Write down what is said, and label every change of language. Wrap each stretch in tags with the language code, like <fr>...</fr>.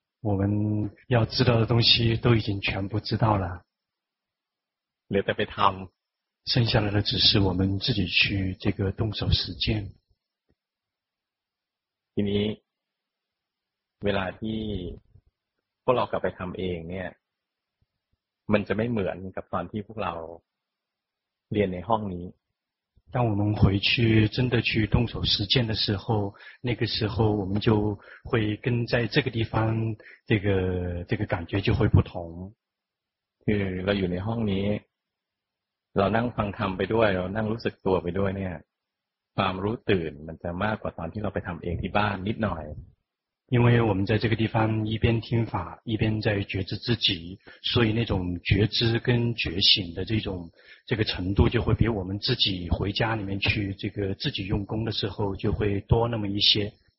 <zh>我们要知道的东西都已经全部知道了</zh> <th>เหลือแต่ไปทำ</th> <zh>剩下来的只是我们自己去这个动手实践</zh> <th>ทีนี้เวลาที่พวกเรากลับไปทำเองเนี่ยมันจะไม่เหมือนกับตอนที่พวกเราเรียนในห้องนี้</th> <zh>当我们回去真的去动手实践的时候，那个时候我们就会跟在这个地方这个感觉就会不同。</zh> <th>คือเราอยู่ในห้องนี้เรานั่งฟังธรรมไปด้วยเรานั่งรู้สึกตัวไปด้วยเนี่ยความรู้ตื่นมันจะมากกว่าตอนที่เราไปทำเองที่บ้านนิดหน่อย</th> <zh>因为我们在这个地方一边听法一边在觉知自己，所以那种觉知跟觉醒的这个程度就会比我们自己回家里面去这个自己用功的时候就会多那么一些。</zh>